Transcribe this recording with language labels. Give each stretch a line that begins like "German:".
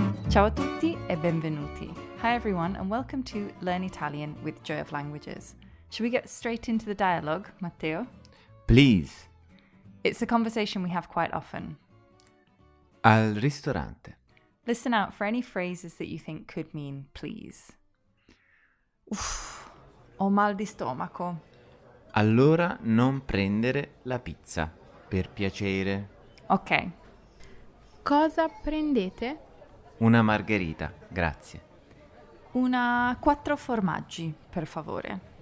Italian: Ciao a tutti e benvenuti.
English: Hi everyone and welcome to Learn Italian with Joy of Languages. Should we get straight into the dialogue, Matteo? Please. It's a conversation we have quite often.
Italian: Al ristorante.
English: Listen out for any phrases that you think could mean please.
Italian: Uff, ho mal di stomaco. Allora non prendere la pizza, per piacere. Ok. Cosa prendete? Una margherita, grazie. Una quattro formaggi, per favore.